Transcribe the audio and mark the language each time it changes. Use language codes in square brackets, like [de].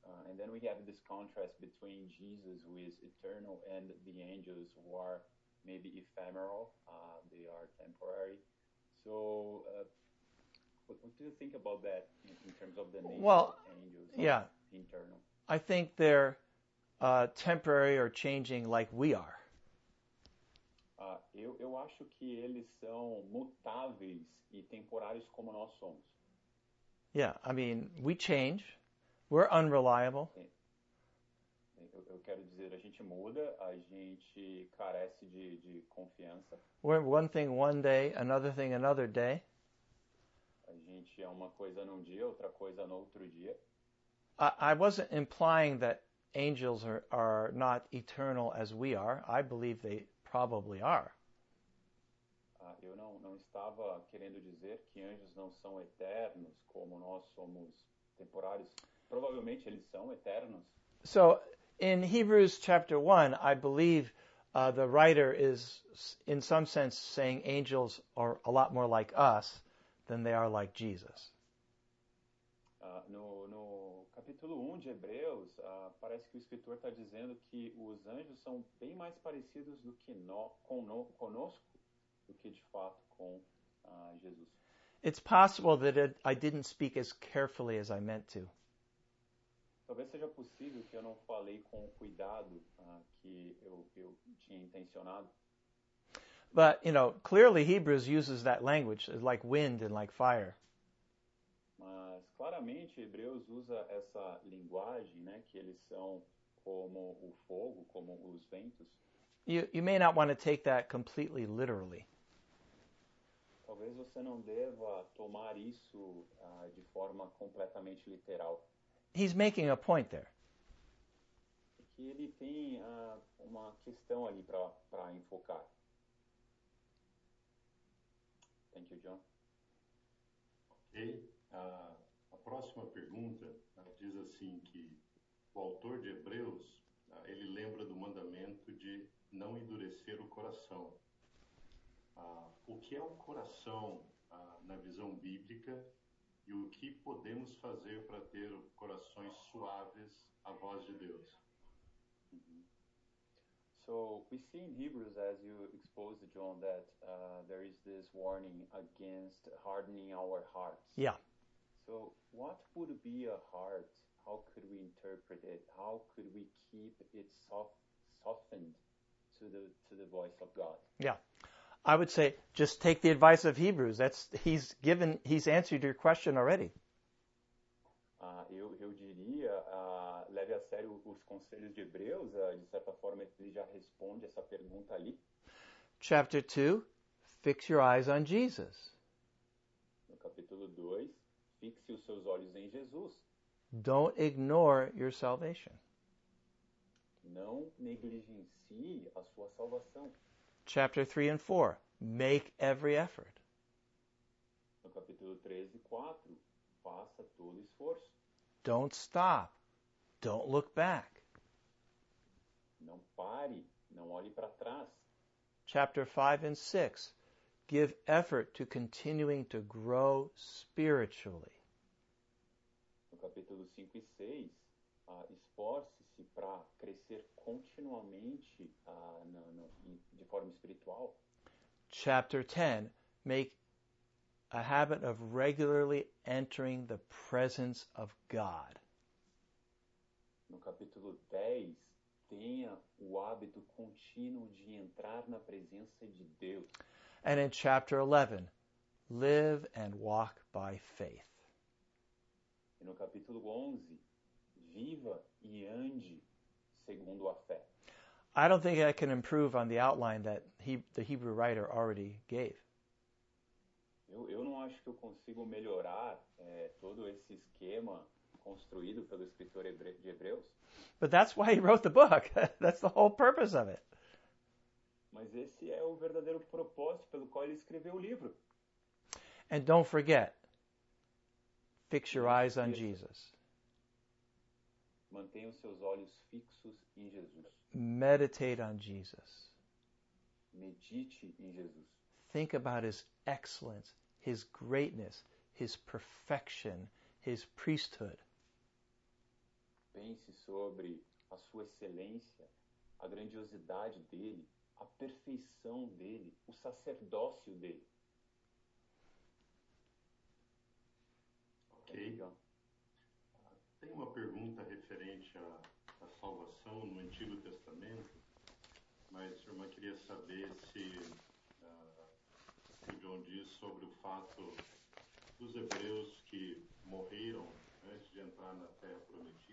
[en] And then we have this contrast between Jesus, who is eternal, and the angels, who are maybe ephemeral. They are temporary. So... What do you think about that in terms of the nature well, of angels? Well, yeah, internal? I think they're temporary or changing like we are. [pt] Eu acho que eles são mutáveis e temporários como nós somos. [en] Yeah, I mean, we change. We're unreliable. [pt] Eu quero dizer, a gente muda, a gente carece de confiança. [en] We're one thing one day, another thing another day. [pt] A gente é uma coisa num dia, outra coisa no outro dia. [en] I wasn't implying that angels are not eternal as we are. I believe they probably are. [pt] Eu não estava querendo dizer que anjos não são eternos como nós somos temporários. Provavelmente eles são eternos. [en] So, in Hebrews chapter 1, I believe the writer is in some sense saying angels are a lot more like us than they are like Jesus. [pt] No capítulo 1 de Hebreus, parece que o escritor está dizendo que os anjos são bem mais parecidos do que conosco do que de fato com Jesus. [en] It's possible that I didn't speak as carefully as I meant to. [pt] Talvez seja possível que eu não falei com o cuidado que eu tinha intencionado. [en] But, you know, clearly Hebrews uses that language, like wind and like fire. [pt] Mas claramente Hebreus usa essa linguagem, né, que eles são como o fogo, como os ventos. [en] You may not want to take that completely literally. [pt] Talvez você não deva tomar isso de forma completamente literal. [en] He's making a point there. [pt] É que ele tem uma questão ali para enfocar. [en] Thank you, John. [pt] Ok. A próxima pergunta diz assim que o autor de Hebreus, ele lembra do mandamento de não endurecer o coração. O que é o coração na visão bíblica? E o que podemos fazer para ter corações suaves à voz de Deus? [en] So, we see in Hebrews, as you exposed, John, that there is this warning against hardening our hearts. Yeah. So, what would be a heart? How could we interpret it? How could we keep it softened to the voice of God? Yeah. I would say, just take the advice of Hebrews. He's answered your question already. [pt] Eu diria, leve a sério os conselhos de Hebreus. De certa forma, ele já responde essa pergunta ali. [en] Chapter 2, fix your eyes on Jesus. [pt] No capítulo 2, fixe os seus olhos em Jesus. [en] Don't ignore your salvation. [pt] Não negligencie a sua salvação. [en] Chapter 3 and 4, make every effort. [pt] No capítulo 3 e 4, faça todo esforço. [en] Don't stop. Don't look back. [pt] Não pare, não olhe para trás. [en] Chapter 5 and 6, give effort to continuing to grow spiritually. [pt] No capítulo 5 e 6, esforce-se para crescer continuamente de forma espiritual. [en] Chapter 10, make a habit of regularly entering the presence of God. [pt] No capítulo 10, tenha o hábito contínuo de entrar na presença de Deus. [en] And in chapter 11, live and walk by faith. [pt] E no capítulo 11, viva e ande segundo a fé. [en] I don't think I can improve on the outline that the Hebrew writer already gave. [pt] Eu não acho que eu consigo melhorar todo esse esquema construído pelo escritor de Hebreus. [en] But that's why he wrote the book. That's the whole purpose of it. [pt] Mas esse é o verdadeiro propósito pelo qual ele escreveu o livro. [en] And don't forget, fix your eyes on Jesus. [pt] Mantenha os seus olhos fixos em Jesus. [en] Meditate on Jesus. [pt] Medite em Jesus. [en] Think about his excellence, his greatness, his perfection, his priesthood. [pt] Pense sobre a sua excelência, a grandiosidade dele, a perfeição dele, o sacerdócio dele. Ok. Tem uma pergunta referente à salvação no Antigo Testamento, mas a irmã queria saber se o John diz sobre o fato dos hebreus que morreram antes de entrar na Terra Prometida.